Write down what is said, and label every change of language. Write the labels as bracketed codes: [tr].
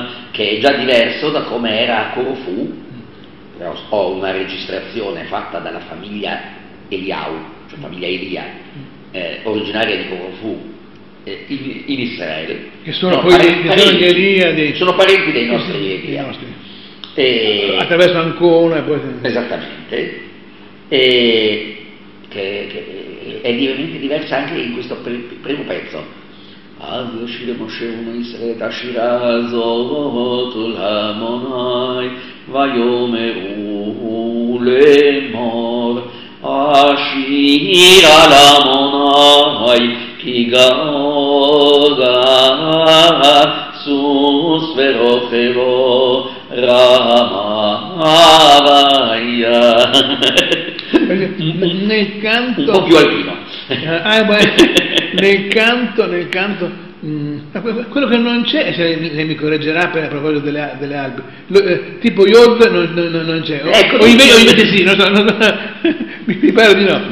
[it] che è già diverso da come era a Corfù. Ho una registrazione fatta dalla famiglia Eliau, cioè famiglia Elia, originaria di Corfù, in Israele, che sono poi parenti, Elia dei... sono parenti dei nostri Elia, dei nostri. E... attraverso Ancona poi... esattamente, e che è veramente diversa anche in questo primo pezzo. [he] אז ישיר משה ומישראל את השירה הזאת ולהמוני ויאמרו לאמור השירה להמוני כי גאה סוס ורוכבו רמה ויה. [it] Nel canto un po' più alpino. Nel canto quello che non c'è, se lei mi correggerà per a proposito delle Alpi, tipo Yod non c'è, ecco, o invece sì, non so, mi pare di no.